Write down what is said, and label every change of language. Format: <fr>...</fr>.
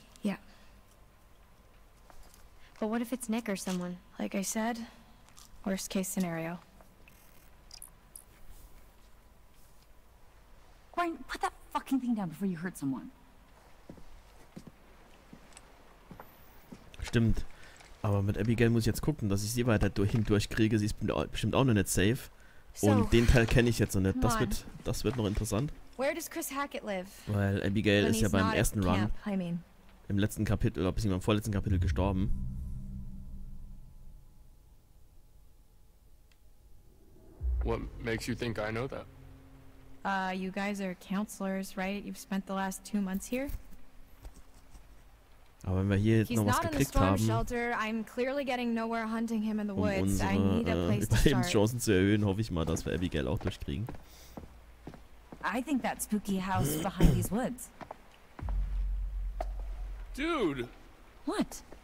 <en>Yeah. But what if it's Nick or someone? Like I said, worst case scenario. Ryan, put that fucking thing down before you hurt someone.</en> <de>Stimmt. Aber mit Abigail muss ich jetzt gucken, dass ich sie weiter hindurch kriege. Sie ist bestimmt auch noch nicht safe. Und so, den Teil kenne ich jetzt noch nicht. Das wird noch interessant.</de> <en>Where does Chris Hackett live?</en> <de>Weil Abigail</de> <en>when</en> <de>ist ja beim ersten Run</de> <en>I mean.</en> <de>Im letzten Kapitel, oder beziehungsweise im vorletzten Kapitel gestorben.</de> <en>What makes you think I know that? You guys are counselors, right? You've spent the last 2 months here?</en> <de>Aber wenn wir hier jetzt noch was gekriegt haben, um unsere Überlebenschancen zu erhöhen, hoffe ich mal, dass wir Abigail auch durchkriegen.</de> <en>I think that spooky house behind these woods. Dude! What?</en>